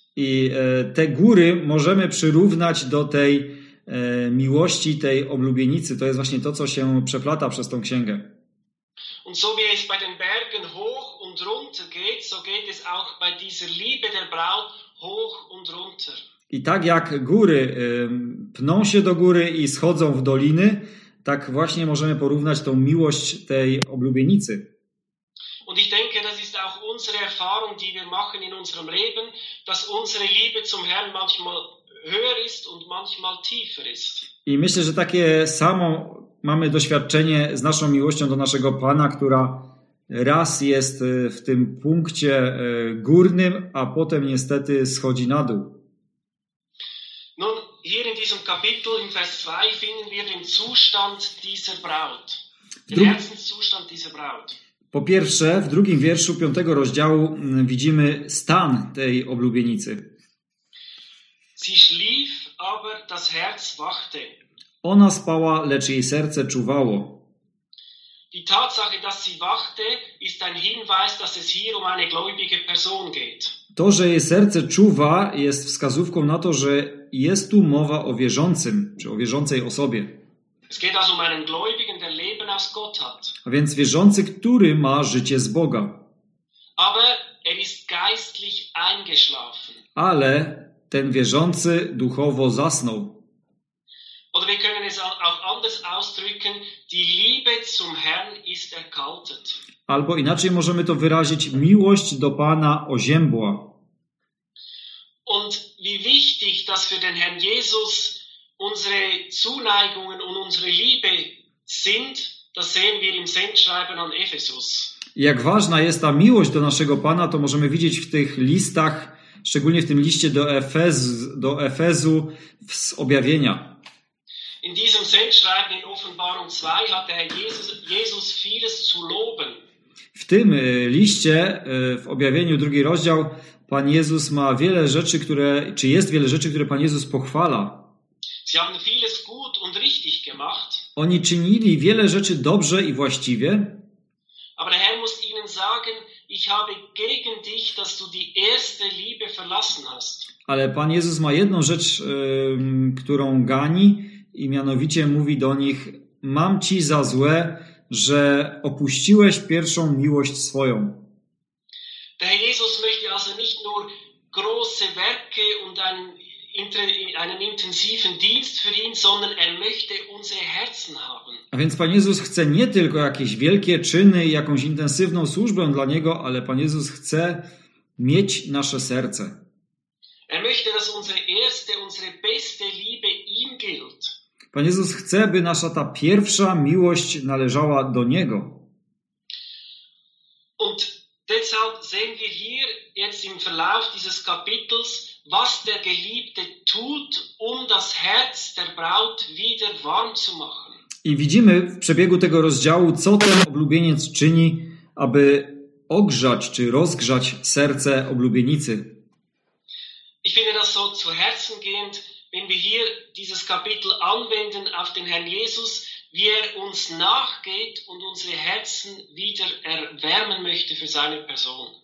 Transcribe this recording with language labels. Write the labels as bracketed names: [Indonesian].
[Polish] I te góry możemy przyrównać do tej miłości, tej oblubienicy. To jest właśnie to, co się przeplata przez tą księgę. [German] Und so wie es bei den Bergen hoch und runter geht, so geht es auch bei dieser Liebe der Braut hoch und runter. [Polish] I tak jak góry pną się do góry i schodzą w doliny, tak właśnie możemy porównać tą miłość tej oblubienicy. [German] Und ich denke, das ist auch unsere Erfahrung, die wir machen in unserem Leben, dass unsere Liebe zum Herrn manchmal höher ist und manchmal tiefer ist. [Polish] I myślę, że takie samo mamy doświadczenie z naszą miłością do naszego Pana, która raz jest w tym punkcie górnym, a potem niestety schodzi na dół. [German] Nun, hier in diesem Kapitel, in Vers 2, finden wir den Zustand dieser Braut. Den ersten Zustand dieser Braut. [Polish] Po pierwsze, w drugim wierszu 5 rozdziału widzimy stan tej oblubienicy. [German] Sie schlief, aber das Herz wachte. [Polish] Ona spała, lecz jej serce czuwało. [German] Die Tatsache, dass sie wachte, ist ein Hinweis, dass es hier um eine gläubige Person geht. [Polish] To, że jej serce czuwa, jest wskazówką na to, że jest tu mowa o wierzącym, czy o wierzącej osobie. [German] Es geht also um einen Gläubigen, der Leben aus Gott hat. [Polish] A więc wierzący, który ma życie z Boga. [German] Aber er ist geistlich eingeschlafen. [Polish] Ale ten wierzący duchowo zasnął. [German] Oder wir können es auch anders ausdrücken, die Liebe zum Herrn ist erkaltet. [Polish] Albo inaczej możemy to wyrazić, miłość do Pana oziębła. [German] Und wie wichtig, dass für den Herrn Jesus unsere Zuneigungen und unsere Liebe sind, das sehen wir im Sendschreiben an Ephesus. [Polish] Jak ważna jest ta miłość do naszego Pana, to możemy widzieć w tych listach, szczególnie w tym liście do Efezu z objawienia. [German] In diesem Sendschreiben in Offenbarung 2 hat der Herr Jesus vieles zu loben. [Polish] W tym liście, w objawieniu drugi rozdział, Pan Jezus ma wiele rzeczy, które, czy jest wiele rzeczy, które Pan Jezus pochwala. [German] Sie haben vieles gut und richtig gemacht. [Polish] Oni czynili wiele rzeczy dobrze i właściwie. [German] Aber der Herr muss ihnen sagen, ich habe gegen dich, dass du die erste Liebe verlassen hast. [Polish] Ale Pan Jezus ma jedną rzecz, którą gani, i mianowicie mówi do nich: mam ci za złe, że opuściłeś pierwszą miłość swoją. [German] Der Jesus möchte also nicht nur große Werke und einen intensiven Dienst für ihn, sondern er möchte unsere Herzen haben. [Polish] A więc Pan Jezus chce nie tylko jakieś wielkie czyny i jakąś intensywną służbę dla Niego, ale Pan Jezus chce mieć nasze serce. [German] Er möchte, dass unsere beste Liebe ihm gilt. [Polish] Pan Jezus chce, by nasza ta pierwsza miłość należała do Niego. [German] Und deshalb sehen wir hier jetzt im Verlauf dieses Kapitels, was der Geliebte tut, das Herz der Braut wieder warm zu machen. [Polish] I widzimy w przebiegu tego rozdziału, co ten oblubieniec czyni, aby ogrzać czy rozgrzać serce oblubienicy. [German] Ich finde das so zu Herzen gehend, wenn wir hier dieses Kapitel anwenden auf den Herrn Jesus, wie uns nachgeht und unsere Herzen wieder erwärmen möchte für seine Person.